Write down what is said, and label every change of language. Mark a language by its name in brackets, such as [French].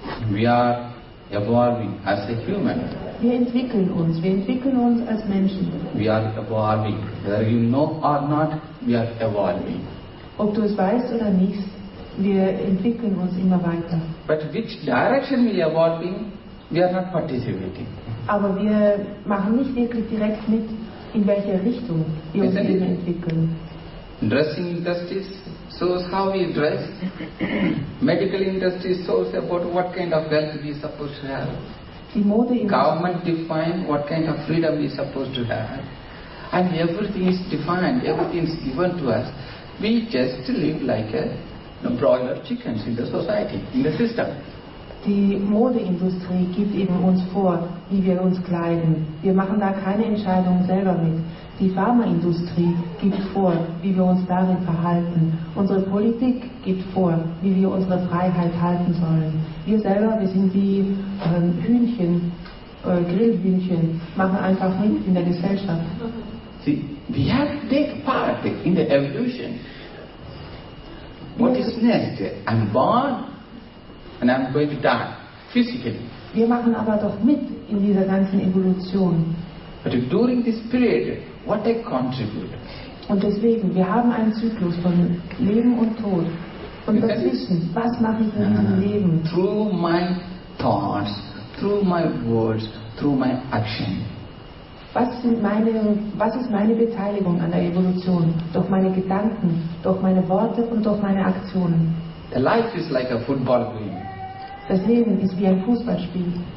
[English] We are evolving as a human. [German] Wir entwickeln uns als Menschen. [English] We are evolving. Whether you know or not, we are evolving. [German] Ob du es weißt oder nicht, wir entwickeln uns immer weiter. [English] But which direction we are evolving, we are not participating. [German] Aber wir machen nicht wirklich direkt mit, in welche Richtung wir uns entwickeln. [English] Dressing industries shows how we dress. Medical industry shows about what kind of wealth we are supposed to have. Government defines what kind of freedom we are supposed to have. And everything is defined, everything is given to us. We just live like a broiler chickens in the society, in the system. [German] Die Modeindustrie gibt eben uns vor, wie wir uns kleiden. Wir machen da keine Entscheidung selber mit. Die Pharmaindustrie gibt vor, wie wir uns darin verhalten. Unsere Politik gibt vor, wie wir unsere Freiheit halten sollen. Wir selber, wir sind wie Hühnchen, Grillhühnchen, machen einfach mit in der Gesellschaft. [English] See, we have to take part in the evolution. What is next? I'm born and I'm going to die physically. [German] Wir machen aber doch mit in dieser ganzen Evolution. [English] But during this period, what I contribute. [German] Und deswegen, wir haben einen Zyklus von Leben und Tod. Und das Wissen, was mache ich in diesem Leben? [English] Through my thoughts, through my words, through my action. [German] Was ist meine Beteiligung an der Evolution? Durch meine Gedanken, durch meine Worte und durch meine Aktionen. [English] The life is like a football game. [German] Das Leben ist wie ein Fußballspiel.